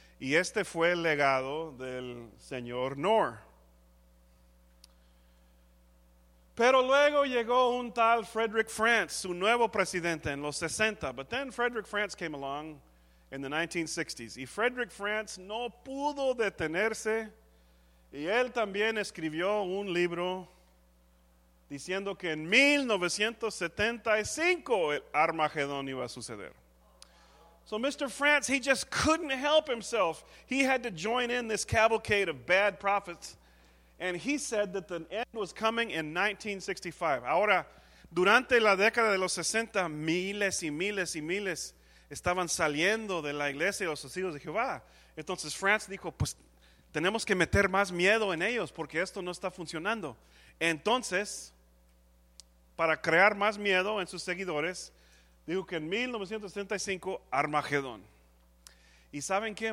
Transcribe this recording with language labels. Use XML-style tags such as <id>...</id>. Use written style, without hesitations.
<es>Y este fue el legado del señor Knorr. Pero luego llegó un tal Frederick France, su nuevo presidente en los 60.</es> <en>But then Frederick France came along in the 1960s.</en> <es>Y Frederick France no pudo detenerse. Y él también escribió un libro diciendo que en 1975 el Armagedón iba a suceder.</es> <en>So Mr. France, he just couldn't help himself. He had to join in this cavalcade of bad prophets. And he said that the end was coming in 1965.</en> <es>Ahora, durante la década de los 60, miles y miles y miles estaban saliendo de la iglesia de los testigos de Jehová. Entonces, France dijo, pues, tenemos que meter más miedo en ellos porque esto no está funcionando. Entonces, para crear más miedo en sus seguidores, dijo que en 1975, Armagedón. ¿Y saben qué?</es>